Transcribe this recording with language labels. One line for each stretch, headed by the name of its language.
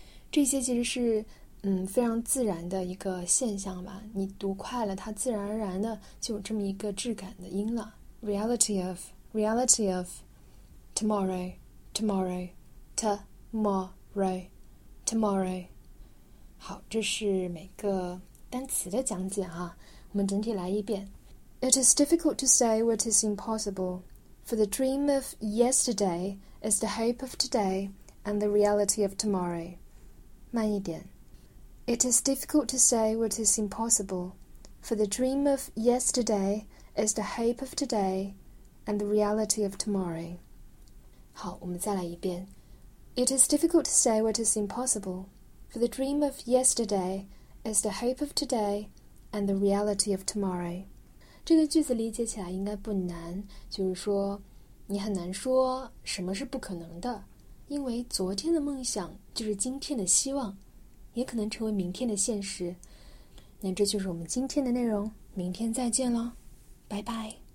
Chinese: 这些其实是非常自然的一个现象吧，你读快了它自然而然的就有这么一个质感的音了。
English: reality of tomorrow。
Chinese: 好，这是每个单词的讲解啊，我们整体来一遍。
English: It is difficult to say what is impossible, for the dream of yesterday is the hope of today and the reality of tomorrow.
Chinese: 慢一点。
English: It is difficult to say what is impossible, for the dream of yesterday is the hope of today and the reality of tomorrow.
Chinese: 好，我们再来一遍。
English: It is difficult to say what is impossible, for the dream of yesterday is the hope of today and the reality of tomorrow.
Chinese: 这个句子理解起来应该不难，就是说你很难说什么是不可能的，因为昨天的梦想就是今天的希望，也可能成为明天的现实。那这就是我们今天的内容，明天再见了，拜拜。